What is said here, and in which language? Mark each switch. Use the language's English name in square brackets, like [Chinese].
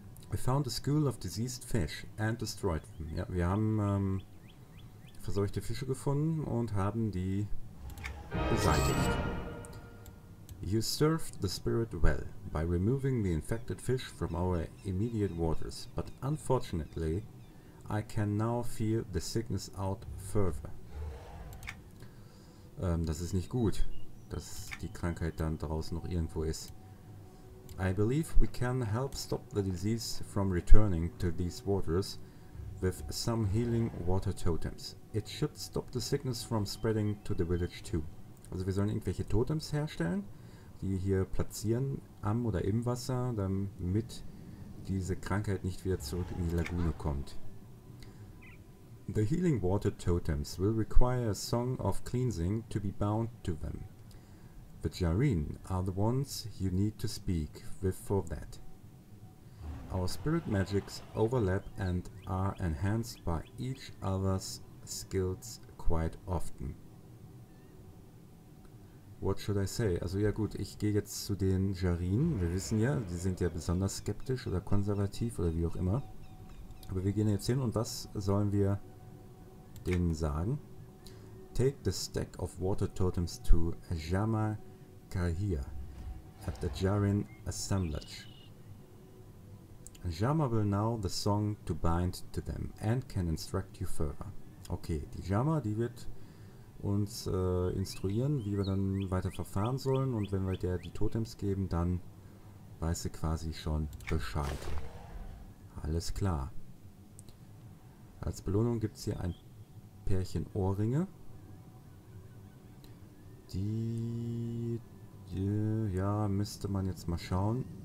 [English] We found a school of diseased fish and destroyed them. [German] Ja, wir haben verseuchte Fische gefunden und haben die beseitigt. [English] You served the spirit well by removing the infected fish from our immediate waters, but unfortunately I can now feel the sickness out further. [German] Das ist nicht gut, dass die Krankheit dann draußen noch irgendwo ist. [English] I believe we can help stop the disease from returning to these waters with some healing water totems. It should stop the sickness from spreading to the village too. [German] Also wir sollen irgendwelche Totems herstellen, die hier platzieren am oder im Wasser, damit diese Krankheit nicht wieder zurück in die Lagune kommt. [English] The healing water totems will require a song of cleansing to be bound to them. The Jareen are the ones you need to speak with for that. Our spirit magics overlap and are enhanced by each other's skills quite often. What should I say? [German] Also ja gut, ich gehe jetzt zu den Jareen. Wir wissen ja, die sind ja besonders skeptisch oder konservativ oder wie auch immer. Aber wir gehen jetzt hin und was sollen wir denen sagen? [English] Take the stack of water totems to Ajama Kahir at the Jareen assemblage. Jama will now the song to bind to them and can instruct you further. [German] Okay, die Jama, die wird uns instruieren, wie wir dann weiter verfahren sollen, und wenn wir der die Totems geben, dann weiß sie quasi schon Bescheid. Alles klar. Als Belohnung gibt es hier ein Pärchen Ohrringe, die müsste man jetzt mal schauen.